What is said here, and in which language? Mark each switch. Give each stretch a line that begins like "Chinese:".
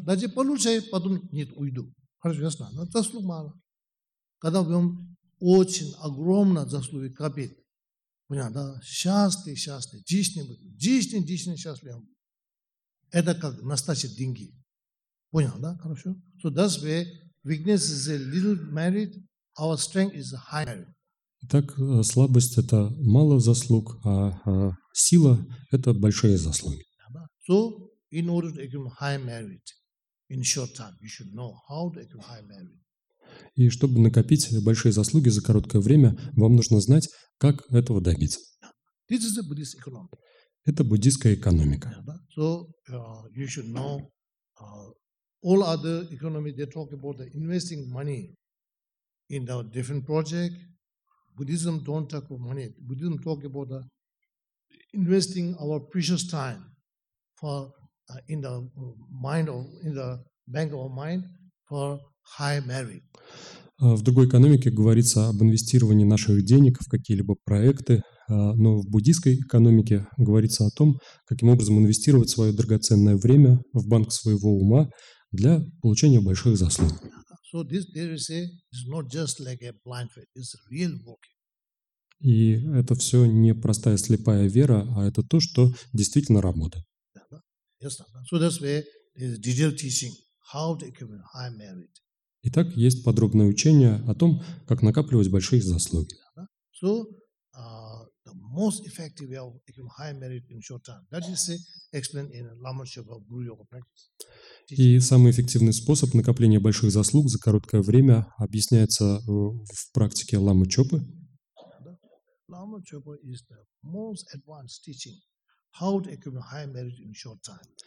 Russian: Даже получше, потом нет, уйду. Хорошо, ясно, да? Заслуг мало. Когда вам очень огромно заслуги копит, понял, да? Счастье, счастье, действительно счастливым. Это как настоящие деньги. Понял, да? Хорошо?
English: So that's where weakness is a little merit, our strength is a high merit.
Russian: Итак, слабость – это мало заслуг, а сила – это большие заслуги.
English: So, in order to accrue high merit in short time, you should know how to accrue high merit.
Russian: И чтобы накопить большие заслуги за короткое время, вам нужно знать, как этого добиться.
English: This is a Buddhist economy.
Russian: Это буддийская экономика.
English: So, you should know all other economies, they talk about the investing money in the different project. Buddhism don't talk about money. Buddhism talk about the investing our precious time for in the mind of in the bank of our mind for high merit.
Russian: В другой экономике говорится об инвестировании наших денег в какие-либо проекты, но в буддийской экономике говорится о том, каким образом инвестировать свое драгоценное время в банк своего ума для получения больших заслуг.
English: So this there is a is not just like a blind faith, it's a real working.
Russian: И это все не простая слепая вера, а это то, что действительно работает.
English: So that's where there's detailed teaching how to accumulate high merit.
Russian: Итак, есть подробное учение о том, как накапливать большие заслуги.
English: So the most effective way of accumulating high merit in short time. That is explained in Lama Shubha Guru Yoga practice.
Russian: И самый эффективный способ накопления больших заслуг за короткое время объясняется в практике Лама Чопы.
English: Lama Chopa is the most advanced teaching. How to accumulate high merit in short time?